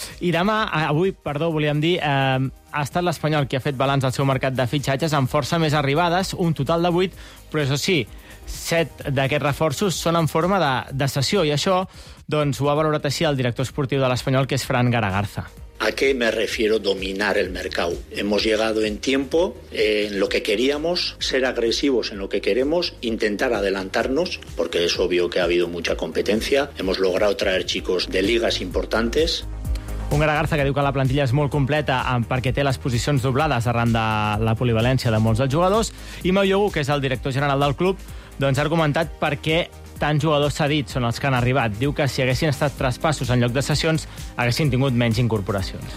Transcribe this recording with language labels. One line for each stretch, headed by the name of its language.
Catalan: I demà, avui, perdó, volíem dir, ha estat l'Espanyol qui ha fet balanç al seu mercat de fitxatges amb força més arribades, un total de 8, però això sí, 7 d'aquests reforços són en forma de cessió, i això doncs ho ha valorat així el director esportiu de l'Espanyol, que és Fran Garagarza.
Spanish: ¿A qué me refiero dominar el mercado? Hemos llegado en tiempo, en lo que queríamos, ser agresivos en lo que queremos, intentar adelantarnos, porque es obvio que ha habido mucha competencia. Hemos logrado traer chicos de ligas importantes.
Catalan: Un Garagarza que diu que la plantilla és molt completa perquè té les posicions doblades arran de la polivalència de molts dels jugadors. I Mau Iogu, que és el director general del club, doncs ha argumentat per què tants jugadors cedits són els que han arribat. Diu que si haguessin estat traspassos en lloc de sessions, haguessin tingut menys incorporacions.